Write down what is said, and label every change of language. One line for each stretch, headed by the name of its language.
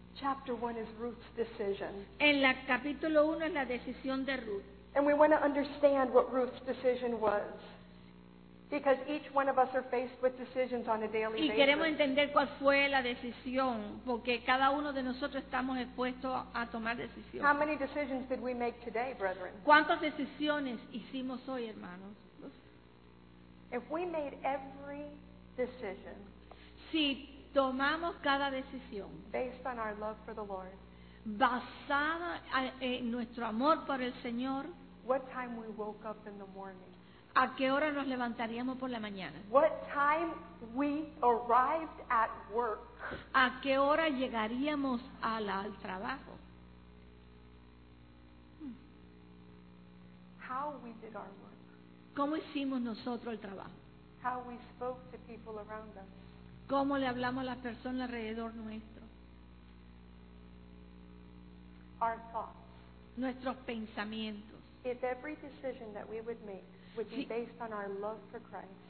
English: Chapter 1 is Ruth's decision.
Spanish: En la capítulo 1 es la decisión de Ruth.
English: And we want to understand what Ruth's decision was. Because each one of us are faced with decisions on a daily basis.
Spanish: Y queremos entender cuál fue la decisión, porque cada uno de nosotros estamos expuestos a tomar decisiones.
English: How many decisions did we make today, brethren?
Spanish: ¿Cuántas decisiones hicimos hoy, hermanos?
English: If we made every decision,
Spanish: si tomamos cada decisión,
English: based on our love for the Lord,
Spanish: basada en nuestro amor por el Señor,
English: what time we woke up in the morning?
Spanish: ¿A qué hora nos levantaríamos por la mañana?
English: What time we arrived at work?
Spanish: ¿A qué hora llegaríamos al trabajo?
English: How we did our work.
Spanish: ¿Cómo hicimos nosotros el trabajo?
English: How we spoke to people around us.
Spanish: ¿Cómo le hablamos a las personas alrededor nuestro?
English: Our thoughts.
Spanish: Nuestros pensamientos.
English: If every decision that we would make would be based on our love for Christ.